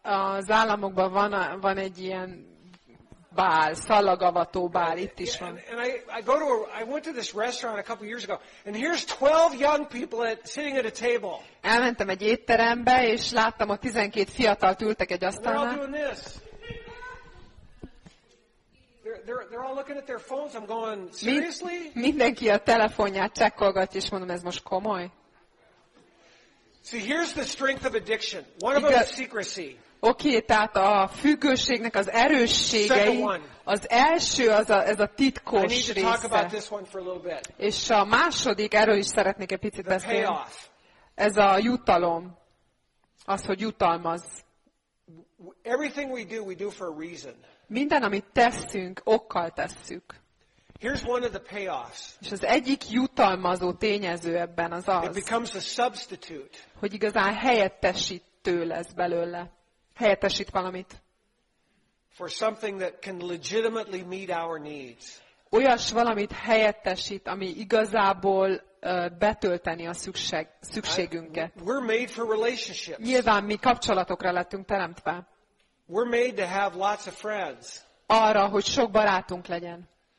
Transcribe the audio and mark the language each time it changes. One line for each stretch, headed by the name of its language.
Hungarian: Az államokban van egy ilyen bál, szalagavató bál, itt is van.
English: And I went to this restaurant a couple years ago, and here's 12 young people sitting at a table.
Hungarian: Elmentem egy étterembe, és láttam, hogy 12 fiatal ültek egy asztalnál.
English: They're all looking at their phones. I'm going, seriously?
Hungarian: Mindenki a telefonját csekkolgatja, és mondom, ez most komoly?
English: See, here's the strength of addiction. One of them is secrecy.
Hungarian: Oké, tehát a függőségnek az erősségei, az első az ez a titkos része. És a második, erről is szeretnék egy picit beszélni. Ez a jutalom. Az, hogy jutalmaz.
English: Everything we do for a reason.
Hungarian: Minden, amit tesszünk, okkal tesszük.
English: Here's one of the payoffs.
Hungarian: És az egyik jutalmazó tényező ebben az az,
English: it becomes a substitute.
Hungarian: Hogy igazán helyettesítő lesz belőle. Helyettesít valamit.
English: For something that can legitimately meet our needs.
Hungarian: Olyas valamit helyettesít, ami igazából betölteni a szükségünket.
English: We're made for relationships.
Hungarian: Nyilván mi kapcsolatokra lettünk teremtve.
English: We're made to have lots of friends.
Hungarian: Arra, hogy sok barátunk legyen.